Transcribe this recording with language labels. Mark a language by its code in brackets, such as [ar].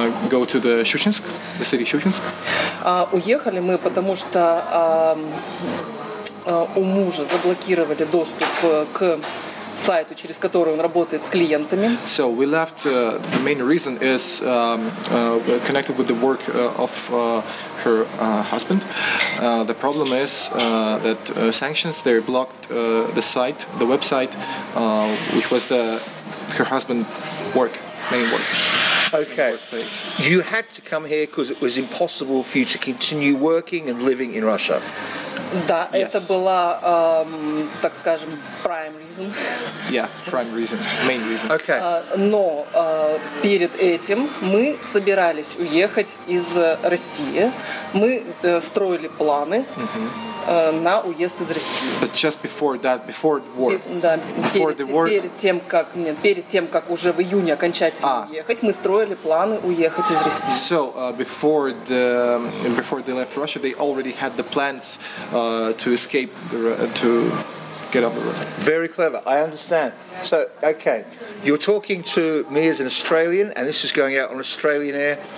[en] go to the Щучинск, the city Щучинск. [ru] Уехали мы, потому что у мужа заблокировали доступ к сайту, через который он работает с клиентами. [en] So we left, the main reason is connected with the work of her husband. The problem is that sanctions, they blocked the site, the website, which was the her husband's work, main work. Okay, you had to come here because it was impossible for you to continue working and living in Russia. [ru] Да, [en] yes. [ru] Это была, так скажем, [en] prime reason. Yeah, prime reason, main reason. Okay. [ru] Но перед этим мы собирались уехать из России. Мы строили планы. Mm-hmm. На уезд из России. [en] But just before that, before the war, [ru] перед тем, как уже в июне окончательно уехать, мы строили планы уехать из России. [en] So before they left Russia, they already had the plans to escape to get up the road. Very clever. I understand. So okay, you're talking to me as an Australian, and this is going out on Australian air.